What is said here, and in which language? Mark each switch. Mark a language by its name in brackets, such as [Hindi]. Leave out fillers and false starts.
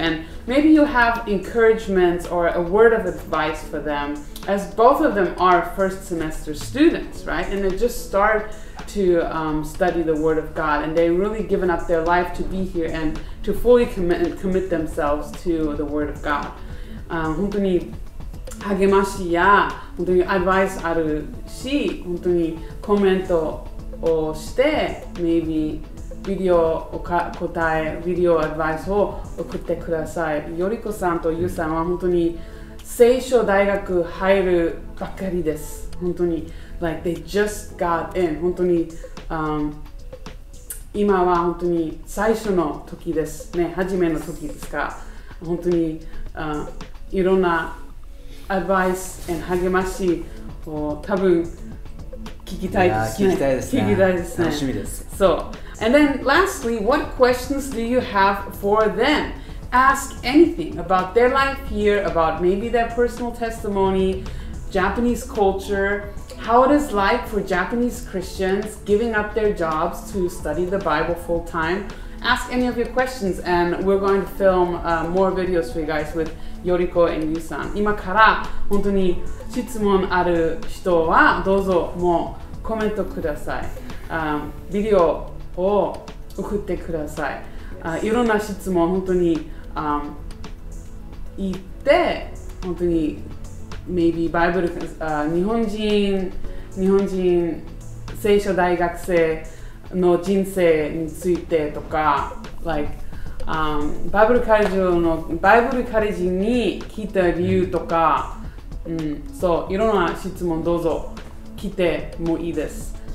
[English] And maybe you have encouragement or a word of advice for them, as both of them are first semester students, right? And they just start to、study the Word of God, and they've really given up their life to be here, and,to fully commit themselves to the Word of God. [Japanese] 本当に励ましや本当にアドバイスあるし本当にコメントをして maybe ビデオを答えビデオアドバイスを送ってください。よりこさんとゆうさんは本当に聖書大学入るばっかりです。本当に [English] like they just got in [Japanese] 本当に、今は本当に最初の時ですね、初めの時ですか。本当に、いろんなアドバイス and 励ましを多分聞きたいですね。聞きたいですね。聞きたいですね。楽しみです。 [English] So, and then lastly, what questions do you have for them? Ask anything about their life here, about maybe their personal testimony, Japanese culture,How it is like for Japanese Christians giving up their jobs to study the Bible full time? Ask any of your questions and we're going to film、more videos for you guys with Yoriko and Yu-san. [Japanese] 今から本当に質問ある人はどうぞもうコメントください。ビデオを送ってください。いろんな質問本当に、言って本当にMaybe Bible,、日本人聖書大学生の人生についてとか、like, Bible College の Bible College に来た理由とか、うん、そう、いろんな質問どうぞ来てもいいです。